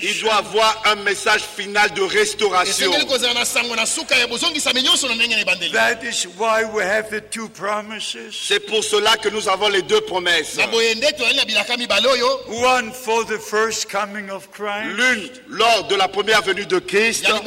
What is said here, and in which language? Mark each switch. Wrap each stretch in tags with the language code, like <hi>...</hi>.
<fr>Il doit avoir un message final de restauration.</fr> <en>That is why we have the two promises.</en> <fr>C'est pour cela que nous avons les deux promesses.</fr> <en>One for the first coming of Christ.</en> <fr>L'une lors de la première venue de Christ.</fr>